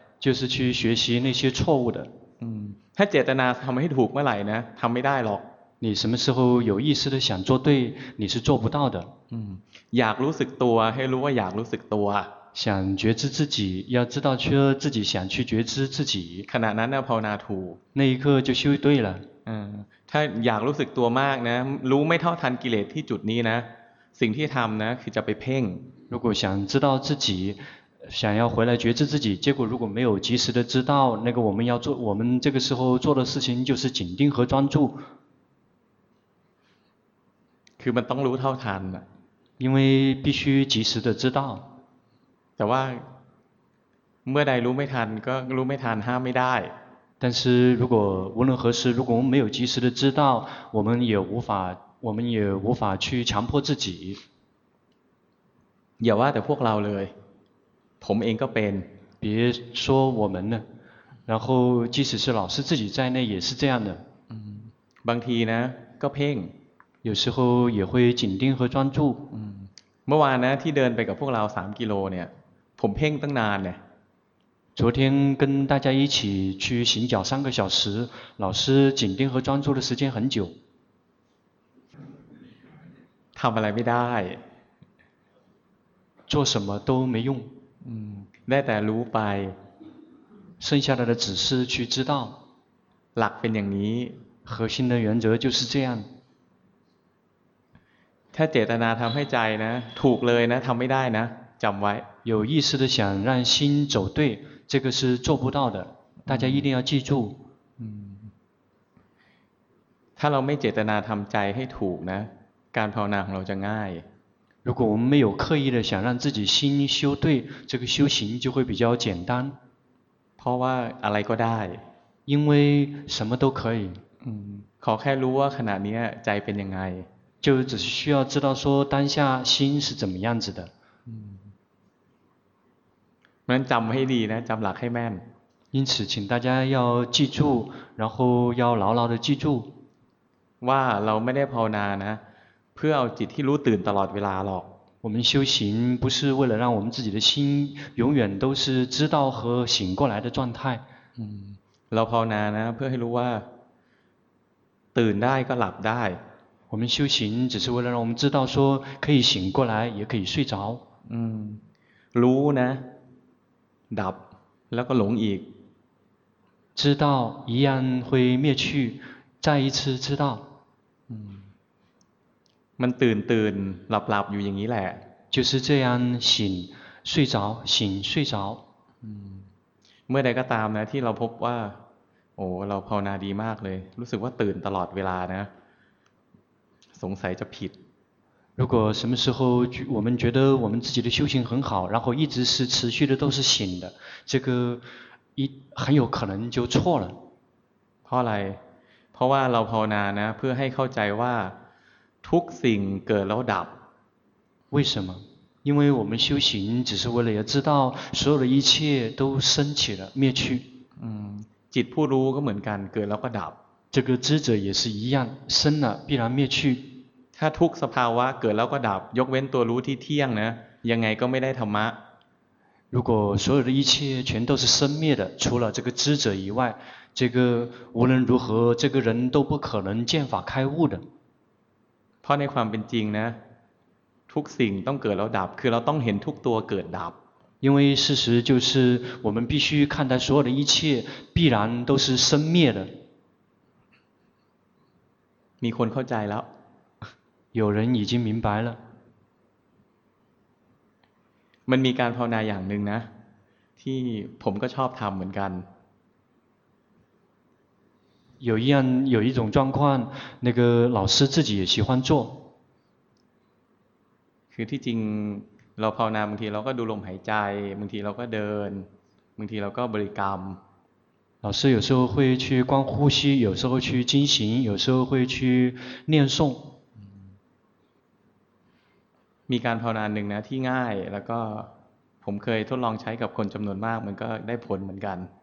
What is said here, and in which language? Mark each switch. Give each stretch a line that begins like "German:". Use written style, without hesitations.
Chinese: 就是去学习那些错误的
Thai: ถ้าเจตนาทำให้ถูกเมื่อไหร่นะทำไม่ได้หรอก
Chinese: 你什么时候有意识的想做对你是做不到的
Thai: อยากรู้สึกตัวให้รู้ว่าอยากรู้สึกตัว
Chinese: 想觉知自己，要知道去自己想去觉知自己。
Thai: ขณะนั้นภาวนาถูก
Chinese: 那一刻就修对了。
Thai: 嗯，ถ้าอยากรู้สึกตัวมากนะรู้ไม่เท่าทันกิเลสที่จุดนี้นะสิ่งที่ทำนะคือจะไปเพ่ง
Chinese: 如果想知道自己想要回来觉知自己，结果如果没有及时的知道，那个我们要做，我们这个时候做的事情就是紧盯和专注。
Thai: คือมันต้องรู้เท่าทันนะ
Chinese: 因为必须及时的知道。
Thai: แต่ว่าเมื่อใดรู้ไม่ทันก็รู้ไม่ทันห้ามไม่ได้
Chinese: 但是如果无论何时如果我们没有及时的知道我们也无法去强迫自己
Thai: อย่าว่าแต่พวกเราเลยผมเองก็เป็น
Chinese: 别说我们呢然后即使是老师自己在内也是这样的
Thai: บางทีนะก็เพ่ง
Chinese: 有时候也会紧盯和专注
Thai: เมื่อวานนะที่เดินไปกับพวกเรา3กิโลเนี่ยผมเพ่งตั้งนานเนี่ย
Chinese: 昨天跟大家一起去行脚三个小时老师紧盯和专注的时间很久
Thai: ทำอะไรไม่ได้
Chinese: 做什么都没用
Thai: ได้แต่รู้ไป
Chinese: 剩下的只是去知道
Thai: หลักเป็นอย่างนี้
Chinese: 核心的原则就是这样
Thai: ถ้าเจตนาทำให้ใจนะถูกเลยนะทำไม่ได้นะจำไว้
Chinese: 有意识的想让心走对这个是做不到的大家一定要记住
Thai: ถ้าเราไม่เจตนาทำใจให้ถูกนะการภาวนาของเราจะง่าย
Chinese: 如果我们没有刻意的想让自己心修对这个修行就会比较简单
Thai: เพราะว่าอะไรก็ได้
Chinese: 因为什么都可以
Thai: ขอแค่รู้ว่าขณะนี้ใจเป็นยังไง
Chinese: 就只是需要知道说当下心是怎么样子的
Thai: งั้นจำให้ดีนะจำหลักให้แม่น
Chinese: 因此请大家要记住然后要牢牢的记住
Thai: ว่าเราไม่ได้ภาวนานะเพื่อเอาจิตที่รู้ตื่นตลอดเวลาหรอก
Chinese: 我们修行不是为了让我们自己的心永远都是知道和醒过来的状态
Thai: เราภาวนานะเพื่อให้รู้ว่าตื่นได้ก็หลับได้
Chinese: 我们修行只是为了让我们知道说可以醒过来也可以睡着
Thai: รู้นะดับแล้วก็หลงอีก
Chinese: 知道一样会灭去再一次知道
Thai: มันตื่นตื่นหลับหลับอยู่อย่างนี้แหละ
Chinese: 就是这样醒睡着醒睡着
Thai: เมื่อใดก็ตามนะที่เราพบว่าโอ้เราภาวนาดีมากเลยรู้สึกว่าตื่นตลอดเวลานะสงสัยจะผิด
Chinese: 如果什么时候我们觉得我们自己的修行很好然后一直是持续的都是醒的这个一很有可能就错了
Thai: เพราะอะไรเพราะว่าเราภาวนานะเพื่อให้เข้าใจว่าทุกสิ่งเกิดแล้วดับ
Chinese: 为什么因为我们修行只是为了要知道所有的一切都升起了灭去
Thai: จิตผู้รู้ก็เหมือนกันเกิดแล้วก็ดับ
Chinese: 这个知者也是一样生了必然灭去
Thai: ถ้าทุกสภาวะเกิดแล้วก็ดับยกเว้นตัวรู้ที่เที่ยงนะยังไงก็ไม่ได้ธรรมะ
Chinese: 如果所有的一切全都是生灭的除了这个知者以外这个无论如何这个人都不可能见法开悟的
Thai: เพราะในความเป็นจริงนะทุกสิ่งต้องเกิดแล้วดับคือเราต้องเห็นทุกตัวเกิดดับ
Chinese: 因为事实就是我们必须看待所有的一切必然都是生灭的
Thai: มีคนเข้าใจแล้ว
Chinese: 有人已经明白了
Thai: มันมีการภาวนาอย่างนึงนะที่ผมก็ชอบทำเหมือนกัน
Chinese: 有一种状况那个老师自己也喜欢做
Thai: คือที่จริงเราภาวนาบางทีเราก็ดูลมหายใจบางทีเราก็เดินบางทีเราก็บริกรรม
Chinese: 老师有时候会去观呼吸，有时候去经行，有时候会去念诵。
Thai: มีการภาวนาหนึ่งนะที่ง่ายแล้วก็ผมเคยทดลองใช้กับคนจำนวนมากมันก็ได้ผลเหมือนกัน